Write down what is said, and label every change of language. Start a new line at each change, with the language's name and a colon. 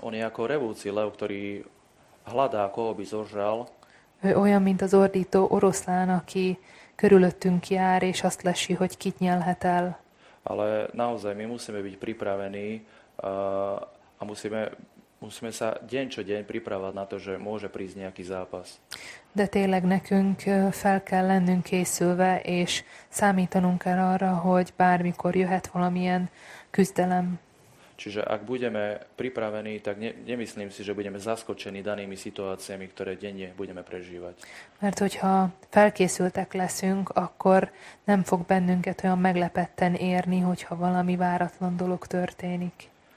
Slovak: On je ako revúci lev, ktorý hľadá, koho by zožral.
Hungarian: Ő olyan, mint az ordító oroszlán, aki körülöttünk jár, és azt lesi, hogy kit nyelhet el.
Slovak: Ale naozaj, my musíme byť pripravení a musíme sa deň čo deň pripravať na to, že môže prísť nejaký zápas.
Hungarian: De tényleg nekünk fel kell lennünk készülve, és számítanunk el arra, hogy bármikor jöhet valamilyen küzdelem.
Slovak: Čiže ak budeme pripravení, tak nemyslím si, že budeme zaskočení danými situáciami, ktoré denne budeme prežívať.
Hungarian: Mert hogyha felkészültek leszünk, akkor nem fog bennünket olyan meglepetten érni, hogyha valami váratlan dolog történik.